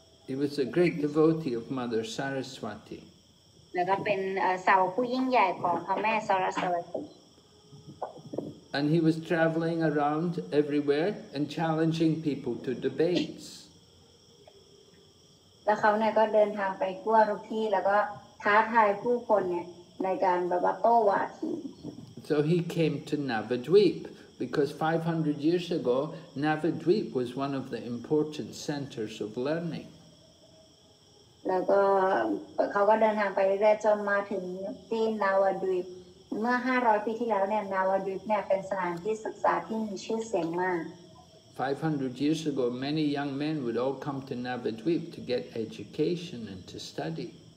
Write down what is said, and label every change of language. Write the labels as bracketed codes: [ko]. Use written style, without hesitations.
[en] He was a great devotee of Mother Saraswati [th] แล้วก็เป็นสาวผู้ยิ่งใหญ่ของพระแม่สารสวัตถี [en] And he was traveling around everywhere and challenging people to debates [th] แล้วเขาเนี่ยก็เดินทางไปทั่วทุกที่แล้วก็ท้าทายผู้คนเนี่ยในการแบบว่าโต้วาที [en] So he came to Navadvip because 500 years ago Navadvip was one of the important centers of learning. [th] แล้วก็เขาก็เดินทางไปเรื่อยๆจนมาถึงที่นาวดวีปเมื่อ500ปีที่แล้วเนี่ยนาวดวีปเนี่ยเป็นสถานที่ศึกษาที่มีชื่อเสียงมาก [en] 500 years ago many young men would all come to Navadvip to get education and to study